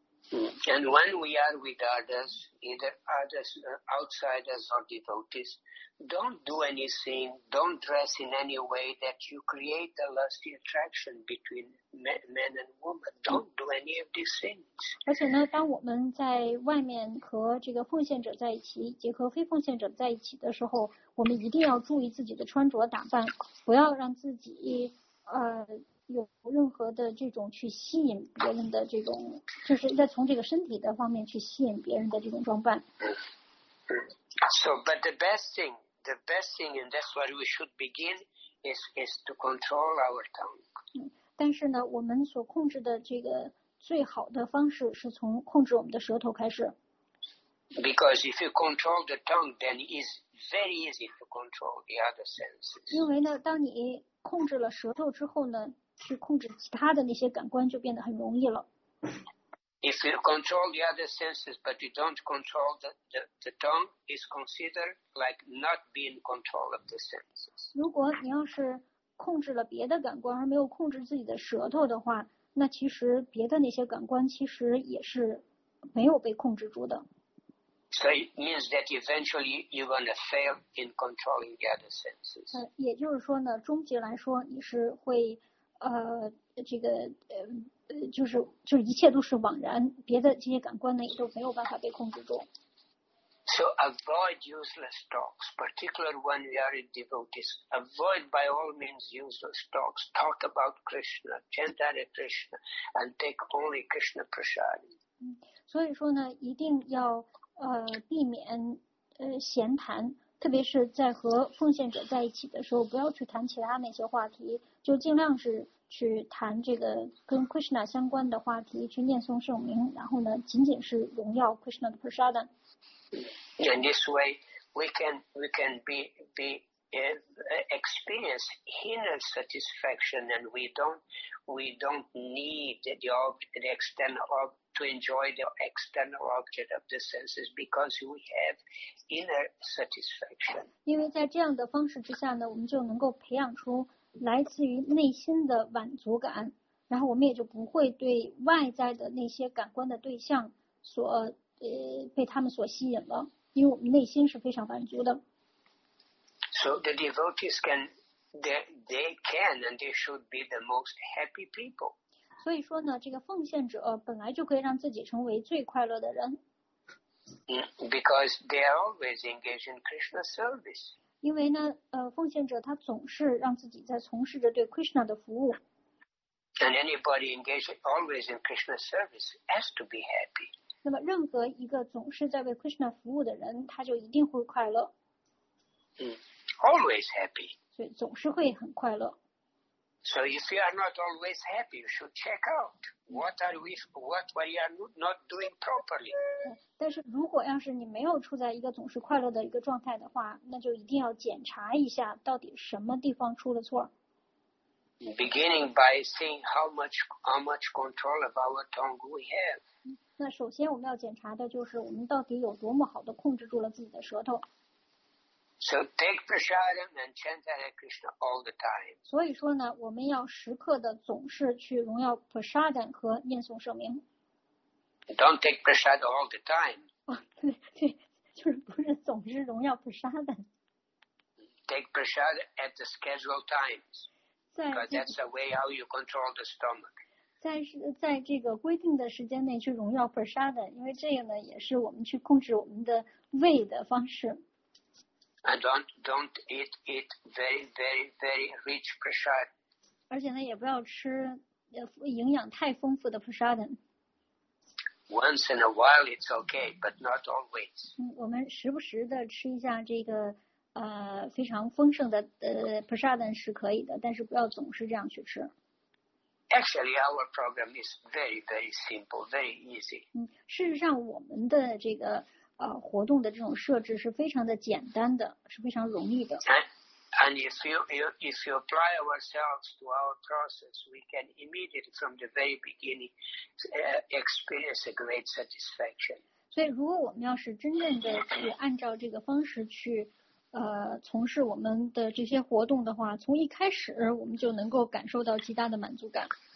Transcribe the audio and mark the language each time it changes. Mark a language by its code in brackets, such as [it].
[en] And when we are with others, either others, outsiders or devotees, don't do anything, don't dress in any way that you create a lusty attraction between men and women. Don't do any of these things. [zh] 而且呢，当我们在外面和这个奉献者在一起，以及和非奉献者在一起的时候，我们一定要注意自己的穿着打扮，不要让自己有任何的这种去吸引别人的这种，就是在从这个身体的方面去吸引别人的这种装扮。 [en] So, but the best thing, and that's what we should begin, is to control our tongue. [zh] 但是呢，我们所控制的这个最好的方式是从控制我们的舌头开始。 [en] Because if you control the tongue, then it is very easy to control the other senses. [zh] 因为呢，当你控制了舌头之后呢，去控制其他的那些感官就变得很容易了。 [en] If you control the other senses, but you don't control the tongue, is considered like not being in control of the senses. [zh] 如果你要是控制了别的感官而没有控制自己的舌头的话，那其实别的那些感官其实也是没有被控制住的。 [en] So it means that eventually you're going to fail in controlling the other senses. [zh] 也就是说呢，终极来说你是会这个就是一切都是枉然，别的这些感官呢也都没有办法被控制住。 [en] So avoid useless talks, particularly when we are in devotees. Avoid by all means useless talks. Talk about Krishna, chant Hare Krishna, and take only Krishna prasad. [zh] 所以说呢，一定要避免闲谈。特别是在和奉献者在一起的时候，不要去谈其他那些话题，就尽量是去谈这个跟 Krishna 相关的话题，去念诵圣名，然后呢，仅仅是荣耀 Krishna 的 prasadam。 [en] In this way, we can be experience inner satisfaction, and we don't need the external objectTo enjoy the external object of the senses because we have inner satisfaction. [zh] 因为在这样的方式之下呢，我们就能够培养出来自于内心的满足感，然后我们也就不会对外在的那些感官的对象所被他们所吸引了，因为我们内心是非常满足的。 [en] So the devotees can, they can and they should be the most happy people. [zh] 所以说呢，这个奉献者本来就可以让自己成为最快乐的人。 [en] Because they are always engaged in Krishna service. [zh] 因为呢，奉献者他总是让自己在从事着对 Krishna 的服务。 [en] And anybody engaged always in Krishna service has to be happy. [zh] 那么任何一个总是在为 Krishna 服务的人，他就一定会快乐。 [en] Always happy. [zh] 所以总是会很快乐。 [en] So if you are not always happy, you should check out what we are not doing properly. [zh] 但是如果要是你没有处在一个总是快乐的一个状态的话，那就一定要检查一下到底什么地方出了错。 [en] Beginning by seeing how much control of our tongue we have. [zh] 那首先我们要检查的就是我们到底有多么好的控制住了自己的舌头。 [en] So take prasadam and chant Hare Krishna all the time. [zh] 所以说呢，我们要时刻的总是去荣耀 prasadam 和念诵圣名。 [en] Don't take prasadam all the time. [zh] 对，就是不是总是荣耀 prasadam。 [en] Take prasadam at the scheduled times, because that's the way how you control the stomach. [zh] 在这个规定的时间内去荣耀 prasadam， 因为这个呢也是我们去控制我们的胃的方式。 [en] And don't eat very very very rich prasad. [zh] 而且呢，也不要吃营养太丰富的 prasad. [en] Once in a while it's okay, but not always. [zh] 我们时不时的吃一下这个非常丰盛的prasad 是可以的，但是不要总是这样去吃。 [en] Actually, our program is very, very simple, very easy. [zh] 事实上，我们的这个活动的这种设置是非常的简单的，是非常容易的。 [en] And if you apply ourselves to our process, we can immediately from the very beginning experience a great satisfaction. [zh] 所以，如果我们要是真正的去按照这个方式去从事我们的这些活动的话，从一开始我们就能够感受到极大的满足感。